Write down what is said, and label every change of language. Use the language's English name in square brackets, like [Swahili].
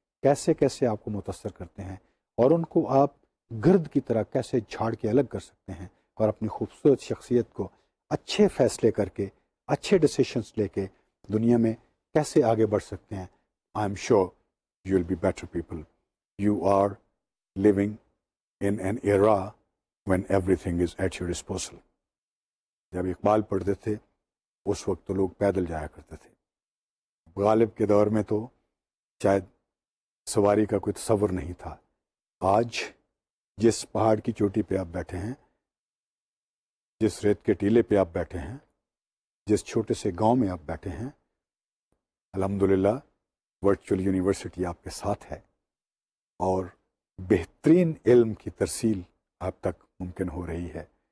[Urdu] کیسے کیسے آپ کو متاثر کرتے ہیں, اور ان کو آپ گرد کی طرح کیسے جھاڑ کے الگ کر سکتے ہیں, اور اپنی خوبصورت شخصیت کو اچھے فیصلے کر کے, اچھے ڈیسیشنس لے کے دنیا میں کیسے آگے بڑھ سکتے ہیں. [English] I am sure you will be better people. You are living in an era when everything is at your disposal. [Urdu] جب اقبال پڑھتے تھے اس وقت تو لوگ پیدل جایا کرتے تھے. غالب کے دور میں تو شاید سواری کا کوئی تصور نہیں تھا. آج جس پہاڑ کی چوٹی پہ آپ بیٹھے ہیں, جس ریت کے ٹیلے پہ آپ بیٹھے ہیں, جس چھوٹے سے گاؤں میں آپ بیٹھے ہیں, الحمدللہ ورچوئل یونیورسٹی آپ کے ساتھ ہے اور بہترین علم کی ترسیل آپ تک ممکن ہو رہی ہے.